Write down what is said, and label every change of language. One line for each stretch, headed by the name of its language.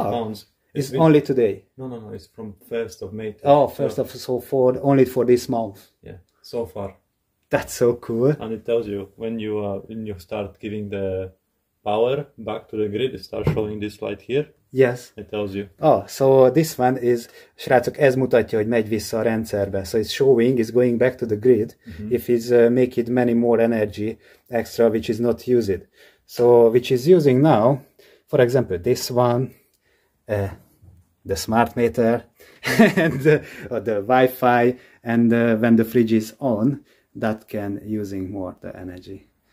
English: £8. It's been, only today. No. It's from 1st of May. Oh, 1st of so for only for this month. Yeah, so far. That's so cool. And it tells you when you are when you start giving the power back to the grid. It starts showing this light here. Yes. It tells you. Oh, so this one is,
Hungarian: srácok, ez mutatja, hogy megy vissza a rendszerbe.
English: So it's showing, it's going back to the grid, mm-hmm. if it's make it many more energy extra, which is not used. So, which is using now, for example, this one, the smart meter, and the Wi-Fi, and when the fridge is on, that can using more the energy.